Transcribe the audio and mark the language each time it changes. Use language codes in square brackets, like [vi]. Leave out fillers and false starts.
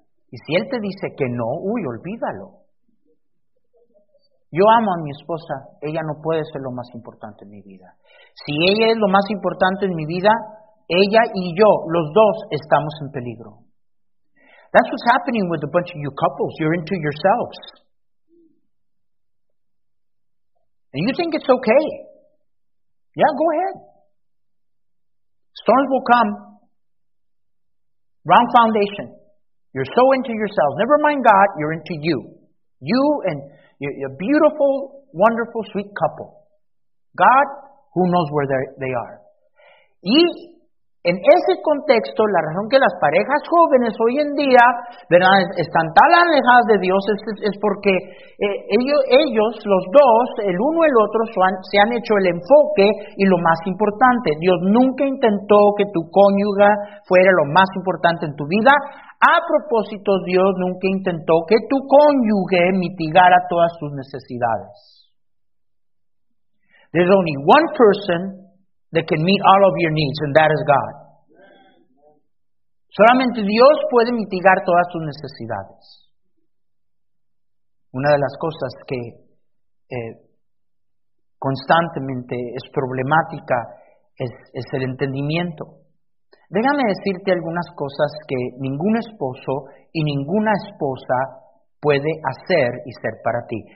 [es] Y si él te dice que no, uy, olvídalo. Yo amo a mi esposa, ella no puede ser lo más importante en mi vida. Si ella es lo más importante en mi vida, ella y yo, los dos, estamos en peligro. [en] That's what's happening with a bunch of you couples. You're into yourselves. And you think it's okay. Yeah, go ahead. Storms will come. Wrong foundation. You're so into yourself. Never mind God, you're into you. You and a beautiful, wonderful, sweet couple. God, who knows where they are. [es] Y en ese contexto, la razón que las parejas jóvenes hoy en día, ¿verdad?, están tan alejadas de Dios es porque ellos, los dos, el uno y el otro, se han hecho el enfoque y lo más importante. Dios nunca intentó que tu cónyuge fuera lo más importante en tu vida. A propósito, Dios nunca intentó que tu cónyuge mitigara todas sus necesidades. [en] There's only one person that can meet all of your needs, and that is God. [es] Solamente Dios puede mitigar todas tus necesidades. Una de las cosas que constantemente es problemática es el entendimiento. Déjame decirte algunas cosas que ningún esposo y ninguna esposa puede hacer y ser para ti.